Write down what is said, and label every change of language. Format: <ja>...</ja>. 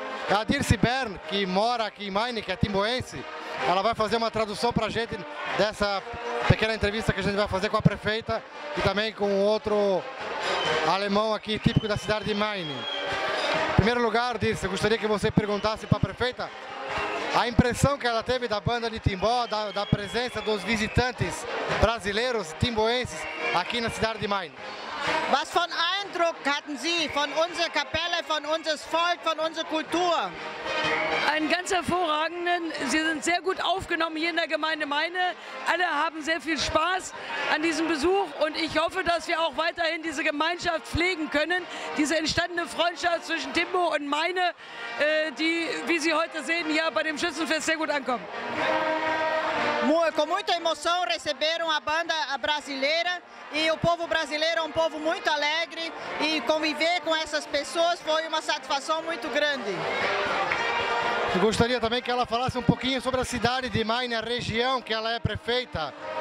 <pt>A Dirce Bern, que mora aqui em Maine, que é timboense, ela vai fazer uma tradução para a gente dessa pequena entrevista que a gente vai fazer com a prefeita e também com outro alemão aqui, típico da cidade de Maine. Em primeiro lugar, Dirce, gostaria que você perguntasse para a prefeita a impressão que ela teve da banda de timbó, da presença dos visitantes brasileiros, timboenses, aqui na cidade de Maine.</pt> <de>Was für einen Eindruck hatten Sie von unserer Kapelle, von unserem Volk, von unserer Kultur? Einen ganz hervorragenden. Sie sind sehr gut aufgenommen hier in der Gemeinde Maine. Alle haben sehr viel Spaß an diesem Besuch und ich hoffe, dass wir auch weiterhin diese Gemeinschaft pflegen können. Diese entstandene Freundschaft zwischen Timbo und Maine, die, wie Sie heute sehen, hier bei dem Schützenfest sehr gut ankommt.</de> <pt>Com muita emoção receberam a banda brasileira e o povo brasileiro é um povo muito alegre e conviver com essas pessoas foi uma satisfação muito grande. Eu gostaria também que ela falasse um pouquinho sobre a cidade de Maine, a região que ela é prefeita.</pt>